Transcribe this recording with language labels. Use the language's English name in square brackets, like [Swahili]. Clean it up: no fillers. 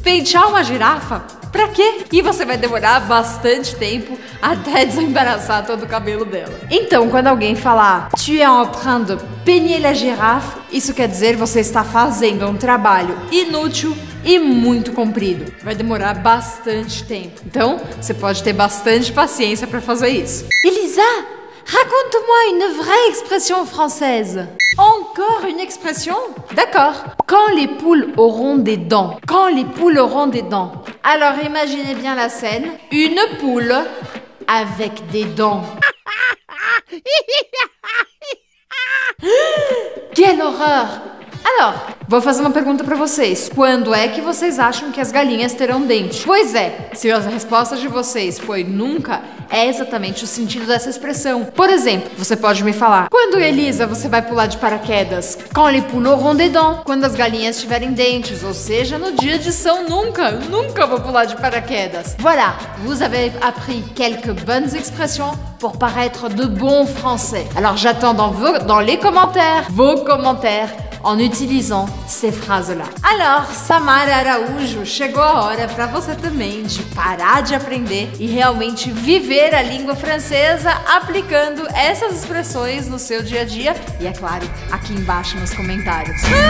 [Portuguese] Pentear uma girafa? Pra quê? E você vai demorar bastante tempo até desembaraçar todo o cabelo dela. Então, quando alguém falar [French] tu es en train de peigner la girafe, [Portuguese] isso quer dizer você está fazendo um trabalho inútil e muito comprido. Vai demorar bastante tempo. Então, você pode ter bastante paciência pra fazer isso. [French] Elisa, raconte-moi une vraie expression française. Encore une expression? D'accord. Quand les poules auront des dents. Quand les poules auront des dents. Alors imaginez bien la scène. Une poule avec des dents. Quelle horreur! Alors, [Portuguese] Vou fazer uma pergunta pra vocês. Quando é que vocês acham que as galinhas terão dente? Pois é, se a resposta de vocês foi nunca, é exatamente o sentido dessa expressão. Por exemplo, você pode me falar: quando, Elisa, você vai pular de paraquedas? [French] Quand les poules auront des dents. [Portuguese] Quando as galinhas tiverem dentes, ou seja, no dia de São Nunca. Nunca vou pular de paraquedas. [French] Voilà, vous avez appris quelques bonnes expressions pour paraître de bons français. Alors j'attends dans les commentaires, vos commentaires, en utilisant ces phrases-là. [Portuguese] Alors, Samara Araújo, chegou a hora pra você também de parar de aprender e realmente viver a língua francesa aplicando essas expressões no seu dia a dia e, é claro, aqui embaixo nos comentários.